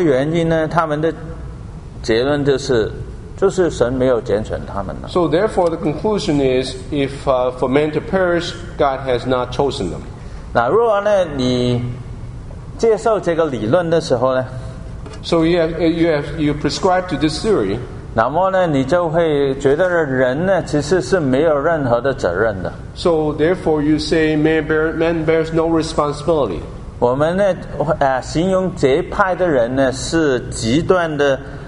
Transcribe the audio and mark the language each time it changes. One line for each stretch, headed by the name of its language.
Chinese: 那么人灭亡的原因呢，他们的结论就是。
English: So therefore, the conclusion is, if for men to perish, God has not chosen them.
Chinese: 那如果呢，你接受这个理论的时候呢？
English: So you prescribe to this theory.
Chinese: 那么呢，你就会觉得人呢，其实是没有任何的责任的。
English: So therefore, you say man bears no responsibility.
Chinese: 我们呢，形容这派的人呢，是极端的。